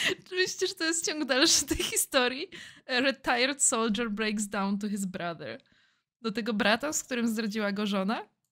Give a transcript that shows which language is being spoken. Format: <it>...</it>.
<pl>Myślisz, że to jest ciąg dalszy tej historii?</pl> <en>A retired soldier breaks down to his brother.</en> <pl>Do tego brata, z którym zdradziła go żona?</pl>